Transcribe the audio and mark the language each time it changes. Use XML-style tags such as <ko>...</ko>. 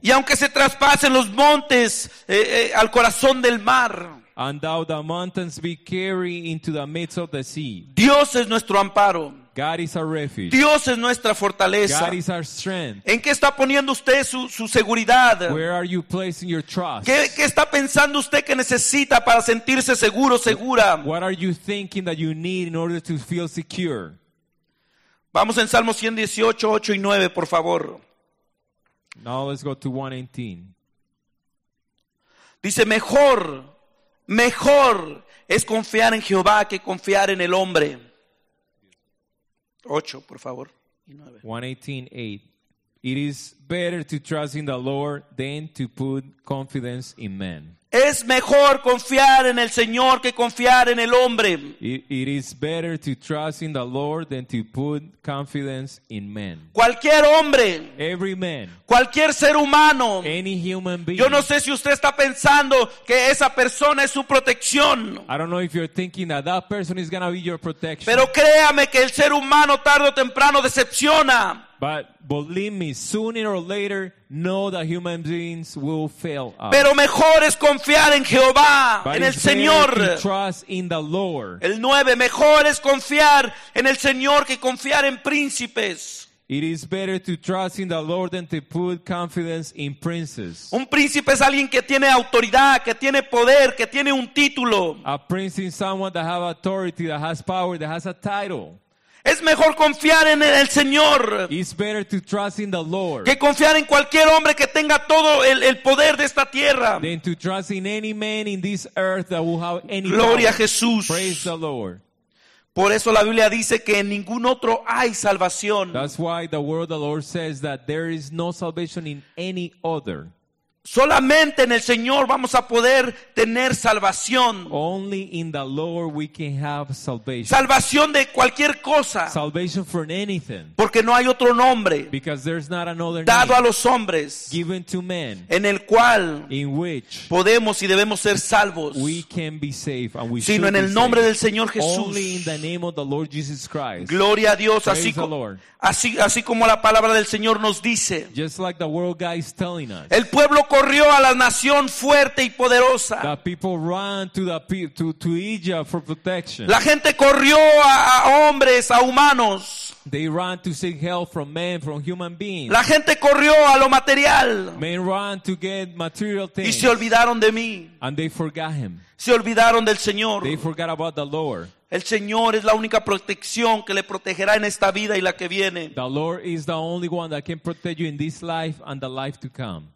<es>Y aunque se traspasen los montes al corazón del mar.</es> <en>And thou the mountains be carried into the midst of the sea.</en> <es>Dios es nuestro amparo.</es> <en>God is our refuge.</en> <es>Dios es nuestra fortaleza.</es> <en>God is our strength.</en> <es>¿En qué está poniendo usted su seguridad?</es> <en>Where are you placing your trust?</en> <es>¿Qué está pensando usted que necesita para sentirse seguro, segura?</es> <en>What are you thinking that you need in order to feel secure?</en> <es>Vamos en Salmo 118, 8 y 9, por favor.</es> <en>Now let's go to 118.</en> <es>Dice, mejor es confiar en Jehová que confiar en el hombre. 8, por favor. 118:8.</es> <en>It is better to trust in the Lord than to put confidence in men.</en> <es>Es mejor confiar en el Señor que confiar en el hombre.</es> <en>It is better to trust in the Lord than to put confidence in men.</en> <es>Cualquier hombre.</es> <en>Every man.</en> <es>Cualquier ser humano.</es> <en>Any human being.</en> <es>Yo no sé si usted está pensando que esa persona es su protección.</es> <en>I don't know if you're thinking that that person is going to be your protection.</en> <es>Pero créame que el ser humano tarde o temprano decepciona.</es> <en>But believe me, sooner or later, know that human beings will fail us.</en> <es>Pero mejor es confiar en Jehová,</es> <en>but</en> <es>en el Señor.</es> <en>Trust in the Lord.</en> <es>El 9, mejor es confiar en el Señor que confiar en príncipes.</es> <en>It is better to trust in the Lord than to put confidence in princes.</en> <es>Un príncipe es alguien que tiene autoridad, que tiene poder, que tiene un título.</es> <en>A prince is someone that has authority, that has power, that has a title.</en> <es>Es mejor confiar en el Señor.</es> <en>It's better to trust in the Lord.</en> <es>Que confiar en cualquier hombre que tenga todo el poder de esta tierra.</es> <en>Than to trust in any man in this earth that will have any power.</en> <es>Gloria a Jesús.</es> <en>Praise the Lord.</en> <es>Por eso la Biblia dice que en ningún otro hay salvación.</es> <en>That's why the word of the Lord says that there is no salvation in any other.</en> <es>Solamente en el Señor vamos a poder tener salvación.</es> <en>Only in the Lord we can have salvation.</en> <es>Salvación de cualquier cosa.</es> <en>Salvation for anything.</en> <es>Porque no hay otro nombre.</es> <en>Because there's not another</en> <es>dado Dado a los hombres.</es> <en>Given to men.</en> <es>En el cual.</es> <en>In which.</en> <es>Podemos y debemos ser salvos.</es> <en>We can be saved and we</en> <es>sino en el nombre</es> <en>saved.</en> <es>Del Señor Jesús.</es> <en>Only in the name of the Lord Jesus Christ.</en> <es>Gloria a Dios.</es> <en>Praise</en> <es>así</es> <en>the Lord.</en> <es>Así como la palabra del Señor nos dice.</es> <en>Just like the world guy is telling us.</en> <es>El pueblo corrió a la nación fuerte y poderosa.</es> <en>The people ran to Egypt for protection.</en> <es>La gente corrió a hombres, a humanos.</es> <en>They ran to seek help from men, from human beings.</en> <es>La gente corrió a lo material.</es> <en>Men ran to get material things.</en> <es>Y se olvidaron de mí.</es> <en>And they forgot him.</en> <es>Se olvidaron del Señor.</es> <en>They forgot about the Lord.</en> <es>El Señor es la única protección que le protegerá en esta vida y la que viene.</es> <en>The Lord is the only one that can protect you in this life and the life to come.</en>